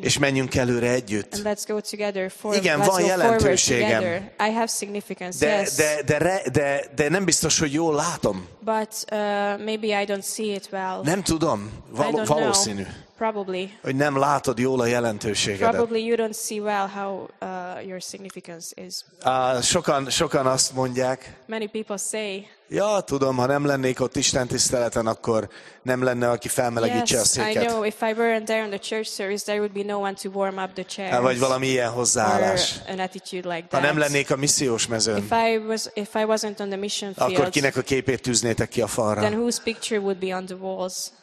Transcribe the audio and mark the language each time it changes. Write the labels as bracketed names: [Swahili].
[Hungarian] És menjünk előre együtt. [English] And let's go together for, [Hungarian] igen, [English] let's [Hungarian] van jelentőségem. [English] I have significance. [Hungarian] De nem biztos, hogy jól látom. [English] But maybe I don't see it well. [Hungarian] Nem tudom. Valószínű. [English] Probably. [Hungarian] Hogy nem látod jól a jelentőségedet. [English] Probably you don't see well how your significance is. [Hungarian] Sokan azt mondják. [English] Many people say. [Hungarian] Ja, tudom, ha nem lennék ott Isten tiszteleten, akkor nem lenne, aki felmelegítse [English] yes, [Hungarian] a széket. [English] Yes, I know. If I weren't there on the church service, there would be no one to warm up the chairs. [Hungarian] Vagy valami ilyen hozzáállás. [English] Or an attitude like that. [Hungarian] Ha nem lennék a missziós mezőn. [English] If I wasn't on the mission field. [Hungarian] Akkor kinek a képét tűznétek ki a falra? [English] Then whose picture would be on the walls?